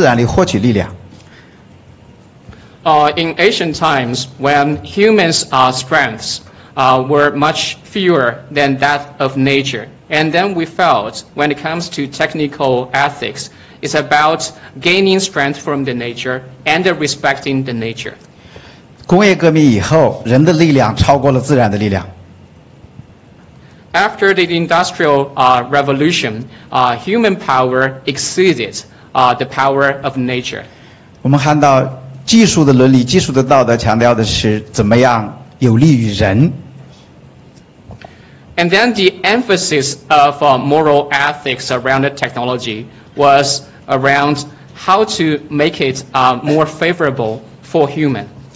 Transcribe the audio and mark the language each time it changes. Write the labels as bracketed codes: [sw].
[zh] 在古代，人的力量远远小于自然。这个时候，我们感觉到我们那个时候的技术伦理是尊重自然，尊重性是神，一切尊重自然的，从自然里获取力量。 [en] In ancient times, when humans' strengths were much fewer than that of nature, and then we felt when it comes to technical ethics, it's about gaining strength from the nature and respecting the nature. [zh] 工业革命以后，人的力量超过了自然的力量。 [en] After the industrial revolution, human power exceeded the power of nature. [zh] 我们看到技术的伦理、技术的道德强调的是怎么样有利于人。 [en] And then the emphasis of moral ethics around the technology was around how to make it more favorable for human.